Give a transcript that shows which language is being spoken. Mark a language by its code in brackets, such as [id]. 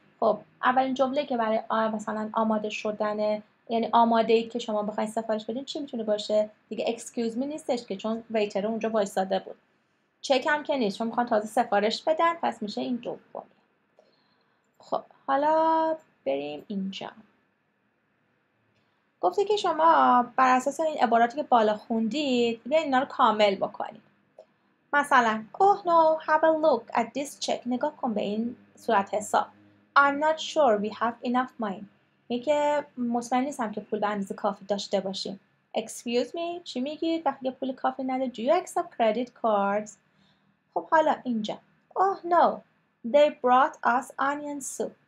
[fa] خب اولین جمله که برای مثلا آماده شدن یعنی آماده اید که شما بخواید سفارش بدین چی میتونه باشه؟ دیگه excuse me نیستش که چون ویتر اونجا وایساده بود. چک هم که نیست چون میخوان تازه سفارش بدن پس میشه این دوباره. خب حالا بریم اینجا. گفته که شما بر اساس این عباراتی که بالا خوندید بیاین اینا رو کامل بکنید. [en] مثلا Oh no, have a look at this check. [fa] نگاه کن به این صورت حساب. [en] I'm not sure we have enough money. [fa] میگه مطمئن نیستم که پول به اندازه کافی داشته باشیم. [en] Excuse me, [fa] چی میگید وقتی که پول کافی نده؟ [en] Do you accept credit cards? [fa] خب حالا اینجا. [en] Oh no, they brought us onion soup.